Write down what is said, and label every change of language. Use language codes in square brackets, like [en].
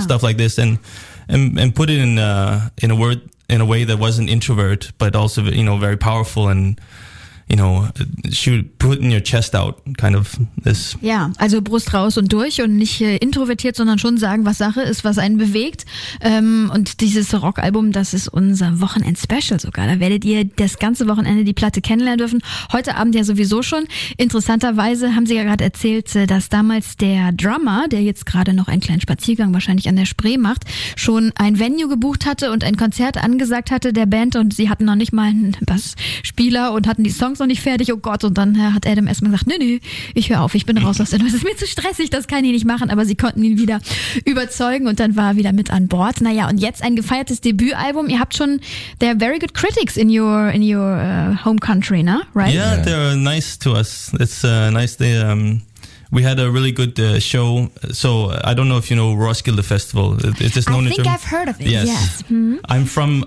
[en] Stuff like this, and put it in a word. In a way that wasn't introvert, but also very powerful and shoot putting your chest out kind of this. [de] Ja, also Brust raus und durch und nicht introvertiert, sondern schon sagen, was Sache ist, was einen bewegt. Und dieses Rockalbum, das ist unser Wochenend-Special sogar. Da werdet ihr das ganze Wochenende die Platte kennenlernen dürfen. Heute Abend ja sowieso schon. Interessanterweise haben sie ja gerade erzählt, dass damals der Drummer, der jetzt gerade noch einen kleinen Spaziergang wahrscheinlich an der Spree macht, schon ein Venue gebucht hatte und ein Konzert angesagt hatte der Band und sie hatten noch nicht mal einen Bassspieler und hatten die Songs noch nicht fertig, oh Gott. Und dann hat Adam erstmal gesagt, nee, ich höre auf, ich bin raus aus der Nummer. Es ist mir zu stressig, das kann ich nicht machen. Aber sie konnten ihn wieder überzeugen und dann war er wieder mit an Bord. Naja, und jetzt ein gefeiertes Debütalbum. Ihr habt schon, [en] they're very good critics in your home country, ne? Right? Yeah, they're nice to us. It's nice. We had a really good show. So I don't know if you know Roskilde Festival. It's just known I think in I've heard of it, yes. Mm-hmm.